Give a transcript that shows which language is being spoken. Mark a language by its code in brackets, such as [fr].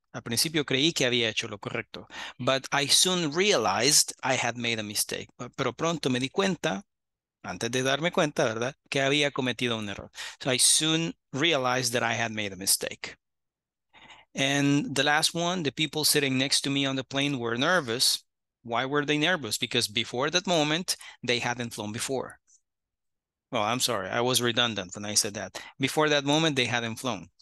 [es] Al principio creí que había hecho lo correcto. [en] But I soon realized I had made a mistake. [es] Pero pronto me di cuenta, antes de darme cuenta, ¿verdad? Que había cometido un error. [en] So I soon realized that I had made a mistake. And the last one, the people sitting next to me on the plane were nervous. Why were they nervous? Because before that moment, they hadn't flown before. Well, I'm sorry. I was redundant when I said that. Before that moment, they hadn't flown.